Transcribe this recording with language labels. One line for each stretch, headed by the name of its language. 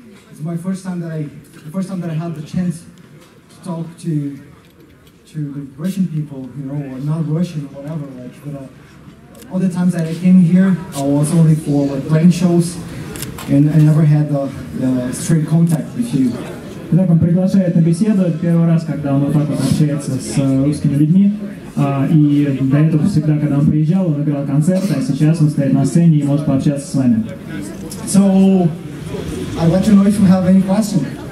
English: It's my first time that I had the chance to talk to Russian people, you know, or not Russian or whatever, like, but all the times that I came here, I was only for like playing shows, and I never had the straight contact with you.
Russian: Итак, он приглашает на беседу первый раз, когда он вот так вот общается с русскими людьми, и до этого всегда, когда он приезжал, он играл концерты, а сейчас он стоит на сцене и может пообщаться с вами.
English: So, I'd like to know if you have any questions.